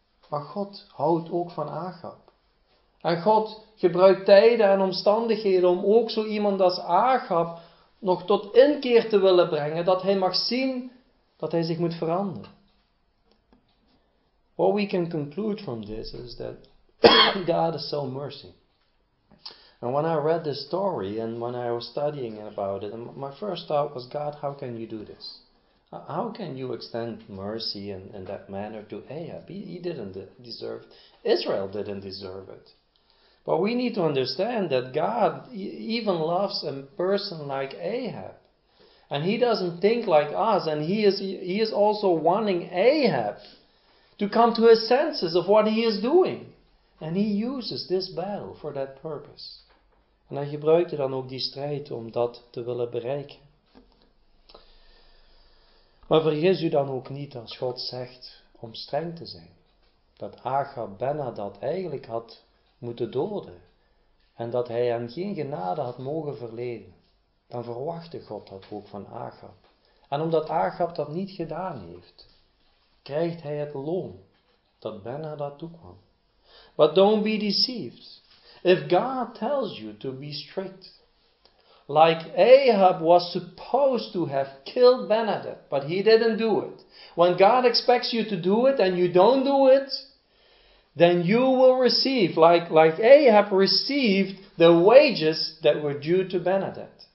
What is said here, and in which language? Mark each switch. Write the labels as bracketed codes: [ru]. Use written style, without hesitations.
[nl] Maar God houdt ook van Agab. En God gebruikt tijden en omstandigheden om ook zo iemand als Agab nog tot inkeer te willen brengen. Dat hij mag zien dat hij zich moet veranderen. [en] What we can conclude from this is that God is so mercy. And when I read this story and when I was studying about it, my first thought was, God, how can you do this? How can you extend mercy in that manner to Ahab? He didn't deserve it. Israel didn't deserve it. But we need to understand that God even loves a person like Ahab. And he doesn't think like us. And he is also wanting Ahab to come to his senses of what he is doing. And he uses this battle for that purpose. [nl] En hij gebruikte dan ook die strijd om dat te willen bereiken. Maar vergis u dan ook niet als God zegt om streng te zijn. Dat Agab Ben-Hadad eigenlijk had moeten doden. En dat hij hem geen genade had mogen verlenen. Dan verwachtte God dat ook van Agab. En omdat Agab dat niet gedaan heeft, krijgt hij het loon dat Ben-Hadad toekwam. [en] But don't be deceived. If God tells you to be strict, like Ahab was supposed to have killed Ben-Hadad, but he didn't do it. When God expects you to do it and you don't do it, then you will receive, like Ahab received, the wages that were due to Ben-Hadad.